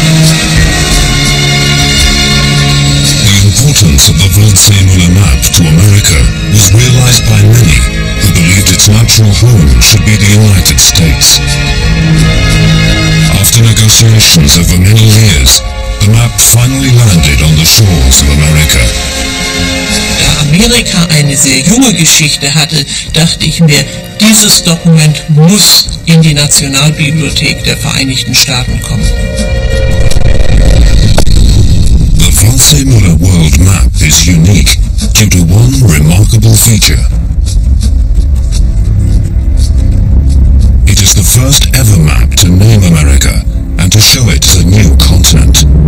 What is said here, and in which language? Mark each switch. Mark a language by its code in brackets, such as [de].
[en] The importance of the Waldseemuller map to America was realized by many who believed its natural home should be the United States. After negotiations over many years, the map finally landed on the shores of America. [de] Amerika eine sehr junge Geschichte hatte, dachte ich mir, dieses Dokument muss in die Nationalbibliothek der Vereinigten Staaten kommen. [en] The Waldseemuller World Map is unique due to one remarkable feature. It is the first ever map to name America and to show it as a new continent.